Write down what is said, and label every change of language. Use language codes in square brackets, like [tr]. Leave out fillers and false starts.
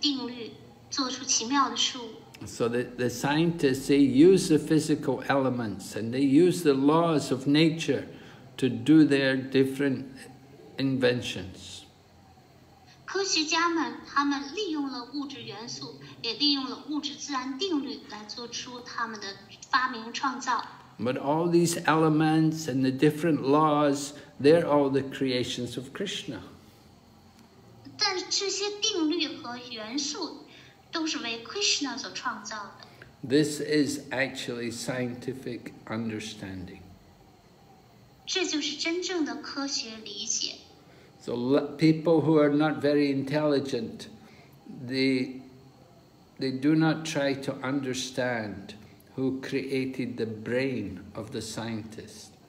[zh] 科学家们，他们需要利用物质元素来操纵这些物质定律，做出奇妙的事物。So [en] the scientists, they use the physical elements and they use the laws of nature to do their different inventions. [zh] 科学家们，他们利用了物质元素，也利用了物质自然定律来做出他们的发明创造。 [en] But all these elements and the different laws, they're all the creations of Krishna. [zh] 但这些定律和元素都是为 Krishna 所创造的。 [en] This is actually scientific understanding. [zh] 这就是真正的科学理解。 [en] So people who are not very intelligent, they do not try to understand who created the brain of the scientist.